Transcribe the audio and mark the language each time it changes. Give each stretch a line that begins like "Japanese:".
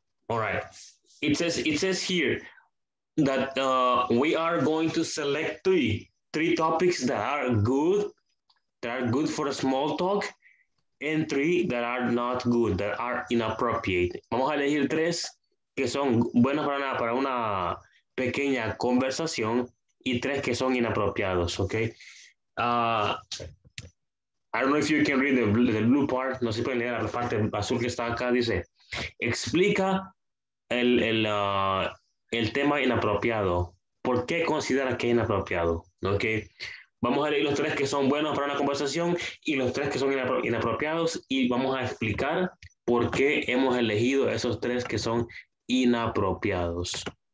English: All right, it says here that we are going to select three topics that are good for a small talk, and three that are not good, that are inappropriate.
Spanish: Vamos a elegir tres que son buenos para una pequeña conversación y tres que son inapropiados, okay?
English: I don't know if you can read the blue part.
Spanish: No sé si pueden leer la parte azul que está acá. Dice, explica el tema inapropiado. ¿Por qué considera que es inapropiado? Okay. Vamos a leer los tres que son buenos para una conversación y los tres que son inapropiados, y vamos a explicar por qué hemos elegido esos tres que son inapropiados.